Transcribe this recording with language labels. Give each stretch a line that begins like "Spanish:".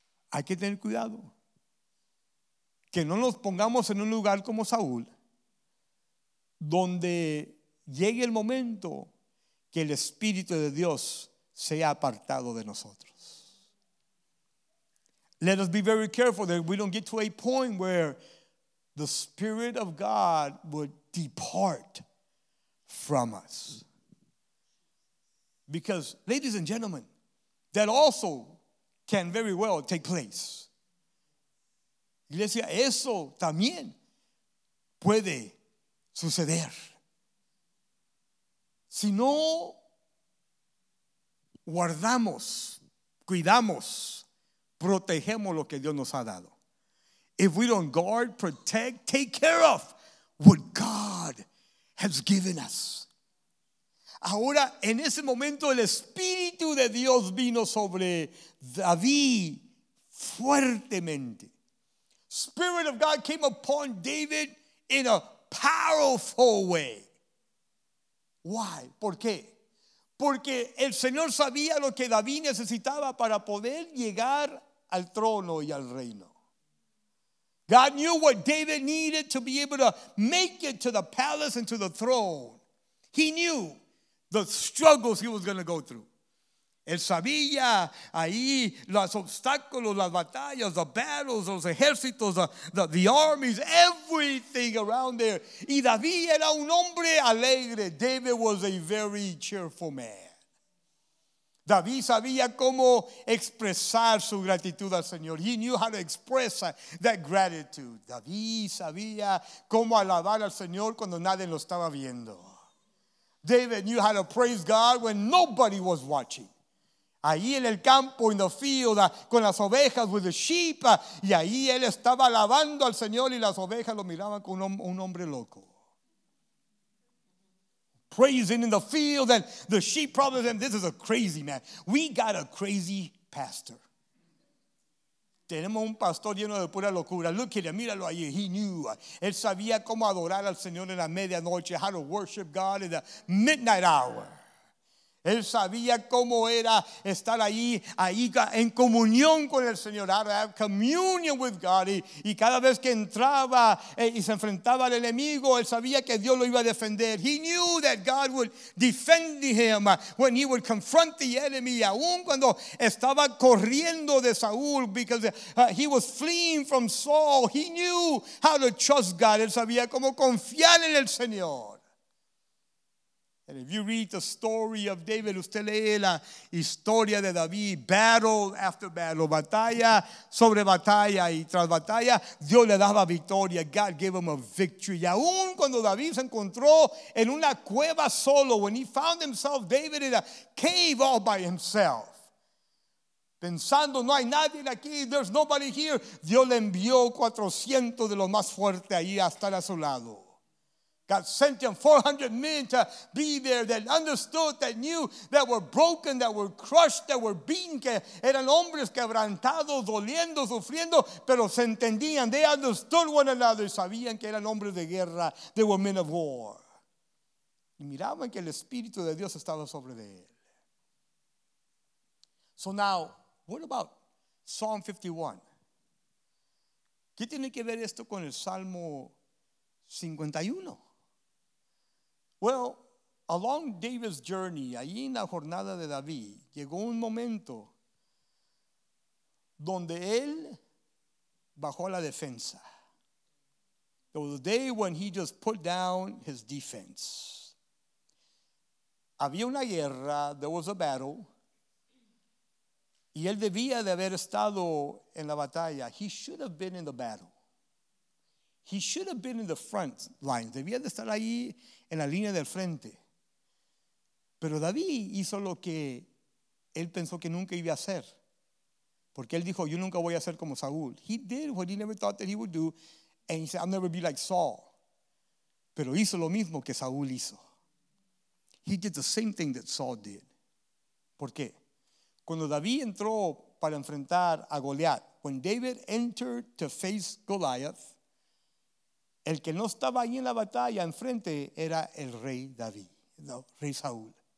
Spanish: Hay que tener cuidado. Que no nos pongamos en un lugar como Saúl, donde llegue el momento que el Espíritu de Dios sea apartado de nosotros.
English: Let us be very careful that we don't get to a point where the Spirit of God would depart from us. Because, ladies and gentlemen, that also can very well take place.
Spanish: Iglesia, eso también puede suceder. Si no guardamos, cuidamos, protegemos lo que Dios nos ha dado.
English: If we don't guard, protect, take care of what God has given us.
Spanish: Ahora, en ese momento, el Espíritu de Dios vino sobre David fuertemente.
English: Spirit of God came upon David in a powerful way. Why?
Spanish: ¿Por qué? Porque el Señor sabía lo que David necesitaba para poder llegar al trono y al reino.
English: God knew what David needed to be able to make it to the palace and to the throne. He knew the struggles he was going to go through.
Spanish: Él sabía ahí los obstáculos, las batallas,
English: the battles,
Spanish: los ejércitos,
English: the armies, everything around there.
Spanish: Y David era un hombre alegre.
English: David was a very cheerful man.
Spanish: David sabía cómo expresar su gratitud al Señor.
English: He knew how to express that gratitude.
Spanish: David sabía cómo alabar al Señor cuando nadie lo estaba viendo.
English: David knew how to praise God when nobody was watching.
Spanish: Ahí en el campo,
English: in the field,
Spanish: con las ovejas,
English: with the sheep.
Spanish: Y ahí él estaba alabando al Señor y las ovejas lo miraban como un hombre loco.
English: Praising in the field and the sheep problems, and this is a crazy man. We got a crazy pastor.
Spanish: Tenemos un pastor lleno de pura locura.
English: Look at him,
Spanish: míralo ahí.
English: He knew.
Spanish: Él sabía cómo adorar al Señor en la medianoche,
English: how to worship God in the midnight hour.
Spanish: Él sabía cómo era estar ahí en comunión con el Señor.
English: I have communion with God.
Spanish: Y cada vez que entraba y se enfrentaba al enemigo, él sabía que Dios lo iba a defender.
English: He knew that God would defend him when he would confront the enemy.
Spanish: Aún cuando estaba corriendo de Saúl,
English: because he was fleeing from Saul, he knew how to trust God.
Spanish: Él sabía cómo confiar en el Señor.
English: And if you read the story of David,
Spanish: usted lee la historia de David,
English: battle after battle,
Spanish: batalla sobre batalla y tras batalla, Dios le daba victoria.
English: God gave him a victory.
Spanish: Y aún cuando David se encontró en una cueva solo,
English: when he found himself, David, in a cave all by himself,
Spanish: pensando, no hay nadie aquí,
English: there's nobody here,
Spanish: Dios le envió 400 de los más fuertes ahí a estar a su lado.
English: God sent him 400 men to be there that understood, that knew, that were broken, that were crushed, that were beaten,
Spanish: que eran hombres quebrantados, doliendo, sufriendo, pero se entendían.
English: They understood one another.
Spanish: Sabían que eran hombres de guerra.
English: They were men of war.
Spanish: Y miraban que el Espíritu de Dios estaba sobre de él.
English: So now, what about Psalm 51?
Spanish: ¿Qué tiene que ver esto con el Salmo 51?
English: Well, along David's journey,
Spanish: allí en la jornada de David, llegó un momento donde él bajó a la defensa.
English: There was a day when he just put down his defense.
Spanish: Había una guerra,
English: there was a battle,
Spanish: y él debía de haber estado en la batalla.
English: He should have been in the battle. He should have been in the front lines.
Spanish: Debía de estar ahí en la línea del frente. Pero David hizo lo que él pensó que nunca iba a hacer. Porque él dijo, yo nunca voy a ser como Saúl.
English: He did what he never thought that he would do. And he said, I'll never be like Saul.
Spanish: Pero hizo lo mismo que Saúl hizo.
English: He did the same thing that Saul did.
Spanish: ¿Por qué? Cuando David entró para enfrentar a Goliat,
English: when David entered to face Goliath,
Spanish: el que no estaba ahí en la batalla enfrente era el rey David, no, rey Saúl.